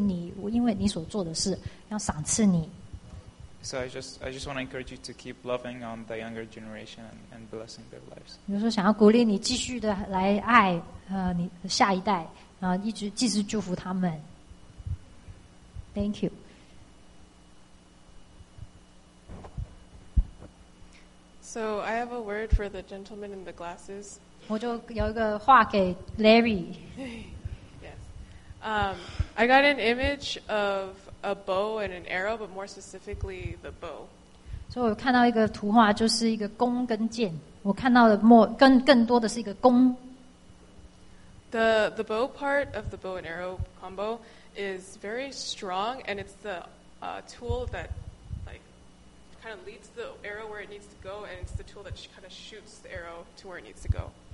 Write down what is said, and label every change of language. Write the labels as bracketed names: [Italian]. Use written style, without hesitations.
[Chinese] 然后他想要鼓励你说神看到你，然后他要赏赐你，因为你所做的事要赏赐你。 [English] So I just want to encourage you to keep loving on the younger generation and blessing their lives. [Chinese] 比如说想要鼓励你继续的来爱你下一代，然后一直继续祝福他们。 [English] Thank you. So I have a word for the gentleman in the glasses. [Chinese] 我就有一个话给 Larry. [English] Yes. I got an image of a bow and an arrow, but more specifically, the bow. [Chinese] 所以我看到一个图画，就是一个弓跟箭。我看到的更多的是一个弓。 [English] The bow part of the bow and arrow combo is very strong, and it's the tool that like kind of leads the arrow where it needs to go, and it's the tool that kind of shoots the arrow to where it needs to go.